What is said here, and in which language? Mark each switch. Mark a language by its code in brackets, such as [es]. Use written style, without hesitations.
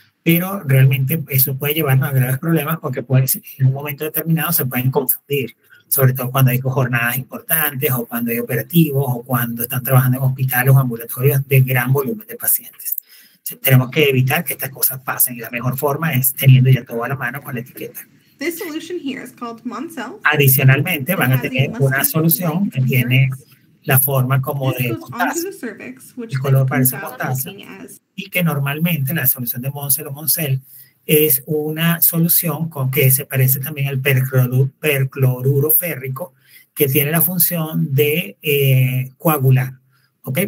[es] Pero realmente eso puede llevarnos a graves problemas porque pues, en un momento determinado se pueden confundir, sobre todo cuando hay jornadas importantes o cuando hay operativos o cuando están trabajando en hospitales o ambulatorios de gran volumen de pacientes. O sea, tenemos que evitar que estas cosas pasen y la mejor forma es teniendo ya todo a la mano con la etiqueta. [en] This solution here is called Monsell. [es] Adicionalmente, van a tener una solución que tiene la forma como de mostaza, [en] cervix, [es] el color parece mostaza, y que normalmente la solución de Monsell o Monsell es una solución con que se parece también al percloruro férrico, que tiene la función de coagular, ¿okay?